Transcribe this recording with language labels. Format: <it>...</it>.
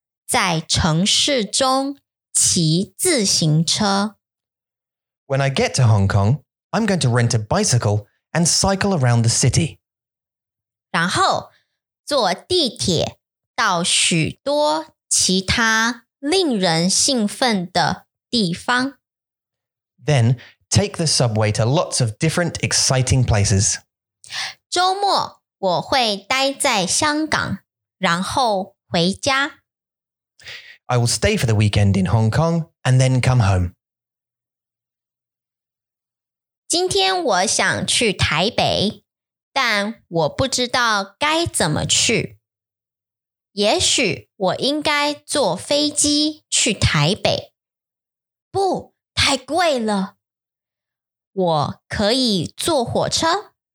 <zh>在城市中骑自行车。</zh> <en>When I get to Hong Kong, I'm going to rent a bicycle and cycle around the city.</en> <zh>然后坐地铁到许多其他令人兴奋的地方。</zh> <en>Then take the subway to lots of different exciting places.</en> <zh>周末我会待在香港，然后回家。</zh> <en>I will stay for the weekend in Hong Kong and then come home.</en> <zh>今天我想去台北,但我不知道该怎么去。也许我应该坐飞机去台北。不,太贵了。我可以坐火车。</zh>